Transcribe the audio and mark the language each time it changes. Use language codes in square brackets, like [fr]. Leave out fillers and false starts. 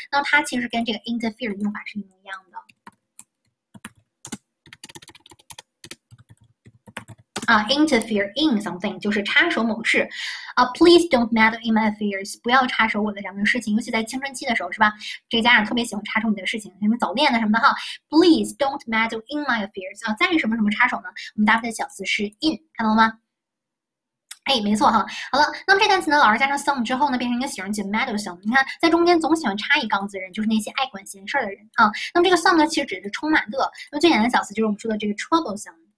[zh] 那么它其实跟这个 interfere 的用法是一模一样的啊。 [en] interfere in something [zh] 就是插手某事啊。 [en] Please don't meddle in my affairs， [zh] 不要插手我的什么事情，尤其在青春期的时候，是吧？这个家长特别喜欢插手你的事情，什么早恋的什么的哈。 [en] Please don't meddle in my affairs [zh] 啊，在什么什么插手呢？我们搭配的小词是 in，看到了吗？哎，没错哈。好了，那么这单词呢，老师加上 some 之后呢，变成一个形容词 meddlesome。你看，在中间总喜欢插一杠子的人，就是那些爱管闲事儿的人啊。那么这个 some 呢，其实指的是充满的。那么最简单的小词就是我们说的这个 troublesome。